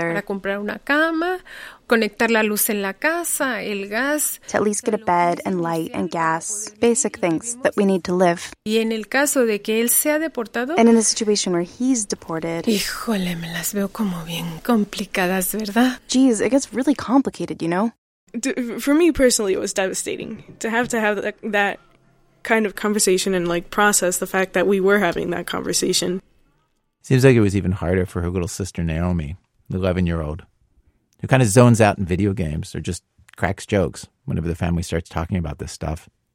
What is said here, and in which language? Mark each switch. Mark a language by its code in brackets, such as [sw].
[es] Para comprar una cama, conectar la luz en la casa, el gas. [en] To at least get a bed and light and gas, basic things that we need to live. [es] Y en el caso de que él sea deportado. [en] And in the situation where he's deported. [es] Híjole, me las veo como bien complicadas, ¿verdad? [en] Geez, it gets really complicated, you know? For me personally, it was devastating to have that kind of conversation and, like, process the fact that we were having that conversation. Seems like it was even harder for her little sister Naomi, the 11-year-old, who kind of zones out in video games or just cracks jokes whenever the family starts talking about this stuff.